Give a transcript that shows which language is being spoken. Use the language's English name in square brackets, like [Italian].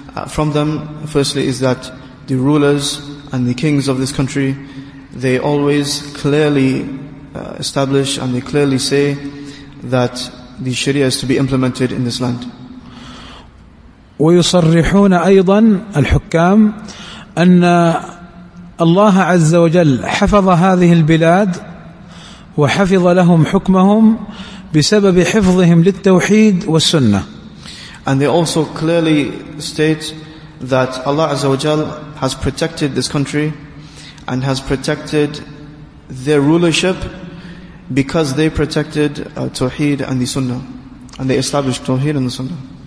[English] From them, firstly, is that the rulers and the kings of this country, they always clearly establish and they clearly say that the Sharia is to be implemented in this land. [Arabic] ويصرحون أيضا الحكام أن الله عز وجل حفظ هذه البلاد وحفظ لهم حكمهم بسبب حفظهم للتوحيد والسنة. [English] And they also clearly state that Allah Azza wa Jal has protected this country and has protected their rulership because they protected Tawheed and the Sunnah, and they established Tawheed and the Sunnah.